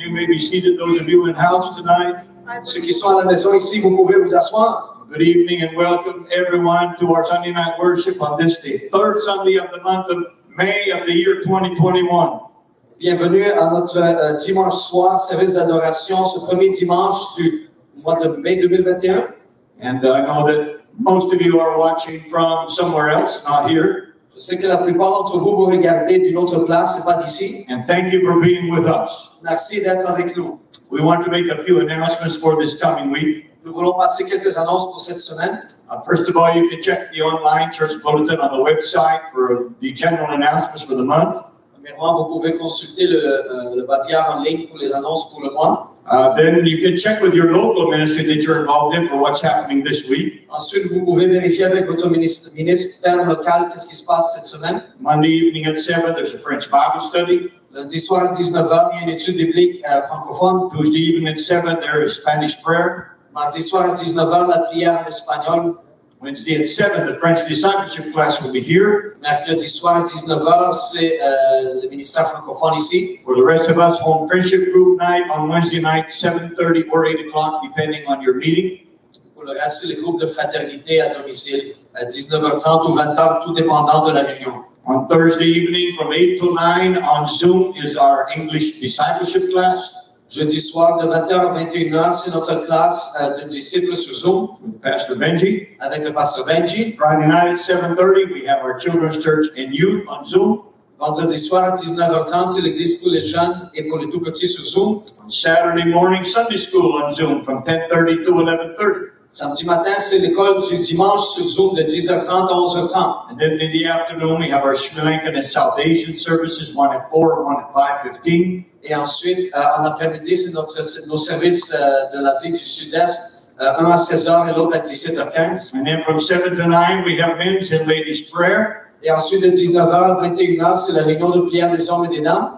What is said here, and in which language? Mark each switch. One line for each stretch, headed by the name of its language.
English: You may be seated, those of you in house tonight.
French: Ceux qui sont à la maison ici, vous pouvez vous asseoir.
English: Good evening and welcome everyone to our Sunday night worship on this day, third Sunday of the month of May of the year 2021.
French: Bienvenue à notre dimanche soir service d'adoration, ce premier dimanche du mois de mai 2021.
English: And I know that most of you are watching from somewhere else, not here.
French: Je sais que la plupart d'entre vous vous regardez d'une autre place, c'est pas d'ici.
English: And thank you for being with us.
French: Merci d'être avec nous.
English: We want to make a few announcements for this coming week.
French: Nous voulons passer quelques annonces pour cette semaine.
English: First of all, you can check the online church bulletin on the website for the general announcements for the month.
French: Premièrement, vous pouvez consulter le papier en ligne pour les annonces pour le mois.
English: Then you can check with your local ministry that you're involved in for what's happening this week.
French: Ensuite, vous pouvez vérifier avec votre ministre local qu'est-ce qui se passe cette semaine.
English: Monday evening at 7, there's a French Bible study.
French: Lundi soir à 19h, il y a une étude biblique francophone.
English: Tuesday evening at 7, there is Spanish prayer.
French: Mardi soir à 19h, la prière en espagnol.
English: Wednesday at 7, the French discipleship class will be here.
French: Mercredi soir à 19h, c'est le ministère francophone ici.
English: For the rest of us, home friendship group night on Wednesday night, 7:30 or 8 o'clock, depending on your meeting.
French: Pour le reste, le groupe de fraternité à domicile, à 19h30 ou 20h, tout dépendant de la réunion.
English: On Thursday evening, from 8 to 9, on Zoom, is our English discipleship class.
French: Jeudi soir, de 20h à 21h, c'est notre classe de disciples sur Zoom.
English: With Pastor Benji.
French: Avec le Pasteur Benji.
English: Friday night at 7:30, we have our children's church and youth on Zoom.
French: Vendredi soir, à 19h30, c'est l'église pour les jeunes et pour les tout-petits sur Zoom.
English: On Saturday morning, Sunday school on Zoom, from 10:30 to 11:30.
French: Samedi matin, c'est l'école du dimanche sur Zoom de 10h30 à 11h30.
English: And then in the afternoon, we have our Sri Lankan and South Asian services, one at 4, one at 5:15.
French: Et ensuite, en après-midi, c'est nos services de l'Asie du Sud-Est, un à 16h et l'autre à 17h15.
English: And then from 7 to 9, we have men's and ladies' prayer.
French: Et ensuite, de 19h à 21h, c'est la réunion de prière des hommes et des dames.